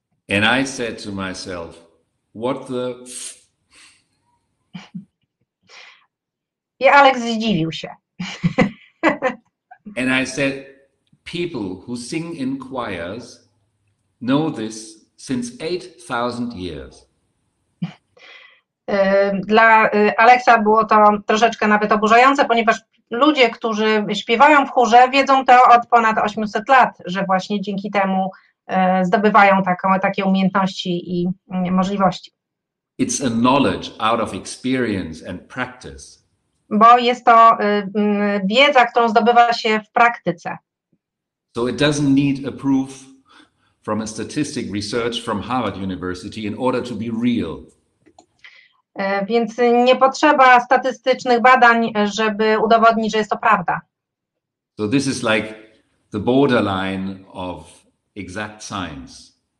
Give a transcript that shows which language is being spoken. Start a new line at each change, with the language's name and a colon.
English: And I said to myself, what the...
Polish: I Alex zdziwił się.
English: And I said, people who sing in choirs know this since 8,000 years.
Polish: Dla Alexa było to troszeczkę nawet oburzające, ponieważ ludzie, którzy śpiewają w chórze, wiedzą to od ponad 800 lat, że właśnie dzięki temu zdobywają takie umiejętności i możliwości.
English: It's a knowledge out of experience and practice.
Polish: Bo jest to wiedza, którą zdobywa się w praktyce.
English: So it doesn't need a proof from a statistic research from Harvard University in order to be real.
Polish: Więc nie potrzeba statystycznych badań, żeby udowodnić, że jest to prawda.
English: So this is like the borderline of exact science.